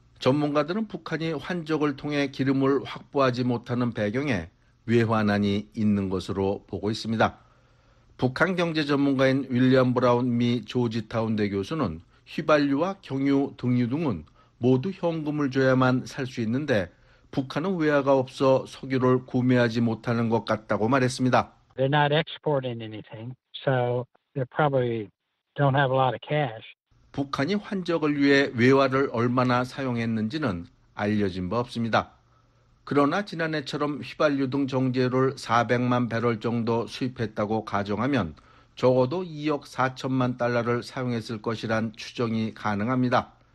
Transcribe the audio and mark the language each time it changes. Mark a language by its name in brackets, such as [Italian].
[Korean] 전문가들은 북한이 환적을 통해 기름을 확보하지 못하는 배경에 외환안이 있는 것으로 보고 있습니다. 북한 경제 전문가인 윌리엄 브라운 미 조지타운 대 교수는 휘발유와 경유, 등유 등은 모두 현금을 줘야만 살 수 있는데 북한은 외화가 없어 석유를 구매하지 못하는 것 같다고 말했습니다. [English] They're not exporting anything, so they probably don't have a lot of cash. [Korean] 북한이 환적을 위해 외화를 얼마나 사용했는지는 알려진 바 없습니다. 그러나 지난해처럼 휘발유 등 정제를 400만 배럴 정도 수입했다고 가정하면 적어도 2억 4천만 달러를 사용했을 것이란 추정이 가능합니다.